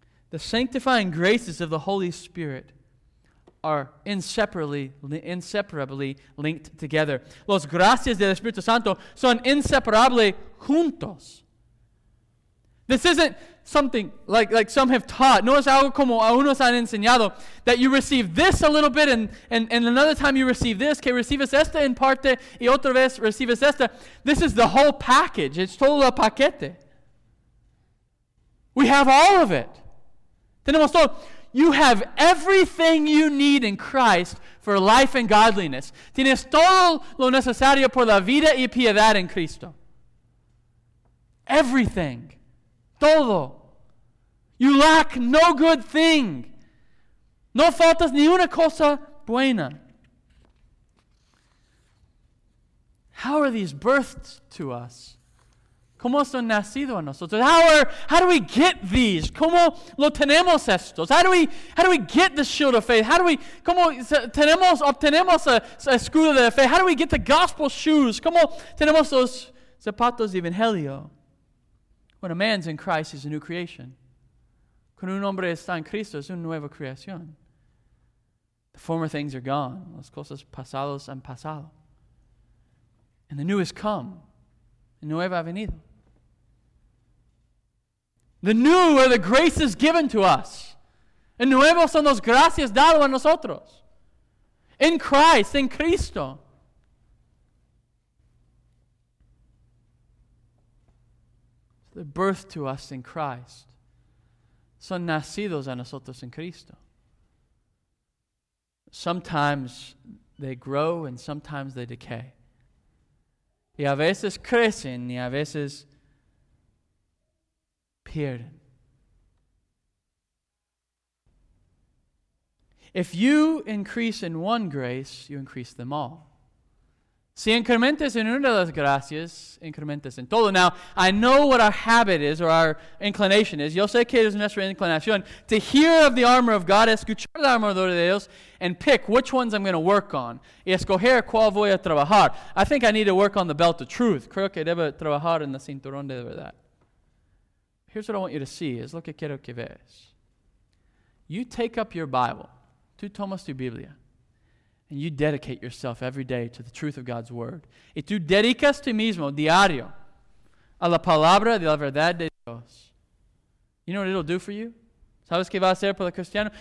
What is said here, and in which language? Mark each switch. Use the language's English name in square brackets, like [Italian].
[English] The sanctifying graces of the Holy Spirit are inseparably linked together. [Spanish] Los gracias del Espíritu Santo son inseparables juntos. [English] This isn't something like some have taught. [Spanish] No es algo como algunos han enseñado. [English] That you receive this a little bit and another time you receive this. [Spanish] Que recibes esta en parte y otra vez recibes esta. [English] This is the whole package. It's [Spanish] todo el paquete. [English] We have all of it. [Spanish] Tenemos todo. [English] You have everything you need in Christ for life and godliness. [Spanish] Tienes todo lo necesario por la vida y piedad en Cristo. [English] Everything. Todo. You lack no good thing. [Spanish] No faltas ni una cosa buena. [English] How are these birthed to us? [Spanish] ¿Cómo son nacido a nosotros? [English] How do we get these? [Spanish] ¿Cómo lo tenemos estos? [English] How do we get the shield of faith? [Spanish] ¿Cómo obtenemos el escudo de fe? [English] How do we get the gospel shoes? [Spanish] ¿Cómo tenemos los zapatos de evangelio? [English] When a man's in Christ, he's a new creation. [Spanish] Cuando un hombre está en Cristo, es una nueva creación. [English] The former things are gone. [Spanish] Las cosas pasadas han pasado. [English] And the new has come. [Spanish] El nuevo ha venido. [English] The new are the graces given to us. [Spanish] El nuevo son las gracias dadas a nosotros. [English] In Christ, in Cristo. The birth to us in Christ. [Spanish] Son nacidos a nosotros en Cristo. [English] Sometimes they grow and sometimes they decay. [Spanish] Y a veces crecen y a veces pierden. [English] If you increase in one grace, you increase them all. [Spanish] Si incrementas en una de las gracias, incrementas en todo. [English] Now, I know what our habit is or our inclination is. [Spanish] Yo sé que es nuestra inclinación. [English] To hear of the armor of God, [Spanish] escuchar la armadura de Dios, [English] and pick which ones I'm going to work on. [Spanish] Y escoger cuál voy a trabajar. [English] I think I need to work on the belt of truth. [Spanish] Creo que debo trabajar en la cinturón de verdad. [English] Here's what I want you to see. [Spanish] Es lo que quiero que veas. [English] You take up your Bible. [Spanish] Tú tomas tu Biblia. [English] And you dedicate yourself every day to the truth of God's word. [Spanish] Y tú dedicas tú mismo diario a la palabra de la verdad de Dios. [English] You know what it'll do for you? [Spanish] ¿Sabes qué va a hacer por el cristiano?